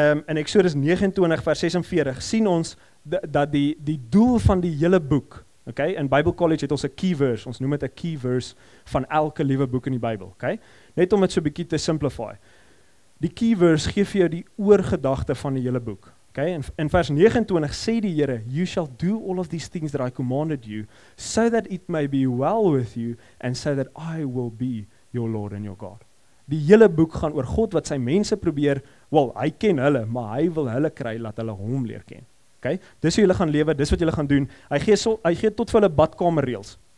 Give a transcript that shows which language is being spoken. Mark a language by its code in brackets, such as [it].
[af] In Exodus 29 vers 46 sien ons dat die doel van die hele boek, okay, in Bible College het ons 'n key verse, ons noem dit 'n key verse van elke liewe boek in die Bybel, okay? Net om dit so 'n bietjie te simplify. Die key verse gee vir jou die oorgedagte van die hele boek, okay? In vers 29 sê die Here, [en] you shall do all of these things that I commanded you, so that it may be well with you, and so that I will be your Lord and your God. [af] Die hele boek gaan oor God wat sy mense probeer, wel, hy ken hulle, maar hy wil hulle kry, laat hulle hom leer ken. Okay? Dis hoe hulle gaan lewe, dis wat hulle gaan doen. Hy gee tot vir hulle badkamerreels.